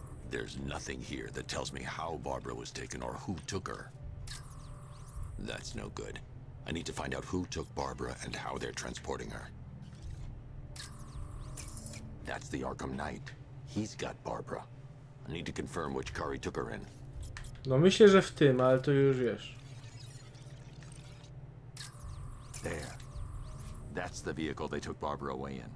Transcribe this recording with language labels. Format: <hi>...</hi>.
<en>There's nothing here that tells me how Barbara was taken or who took her. That's no good. I need to find out who took Barbara and how they're transporting her. That's the Arkham Knight. He's got Barbara. I need to confirm which car he took her in.</en> <pl>No, myślę, że w tym, ale to już wiesz.</pl> <en>There. That's the vehicle they took Barbara away in.</en>